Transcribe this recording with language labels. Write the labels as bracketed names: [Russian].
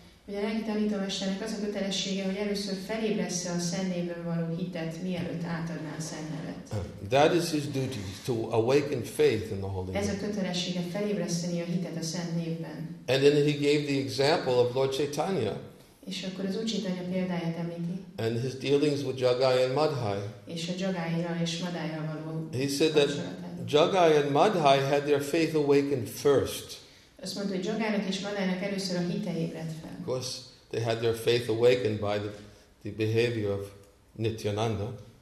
[Hungarian] Hogy a lelki tanítómesternek az a kötelessége, hogy először felébressze a szent névben való hitet, mielőtt átadná a szent nevet. [English] That is his duty, to awaken faith in the holy name. [Hungarian] Ez a kötelessége, felébreszteni a hitet a szent névben. [English] And then he gave the example of Lord Chaitanya. [Hungarian] És akkor az Úr Csaitanya példáját említi. [English] And his dealings with Jagai and Madhai. [Hungarian] És a Jagaira és Madhaira való kapcsolatát. [English] He said that Jagai and Madhai had their faith awakened first. [Hungarian] Azt mondta, hogy Jagának és Madhának először a hite ébredt fel. [English] Of course, they had their faith awakened by the behavior of Nityananda.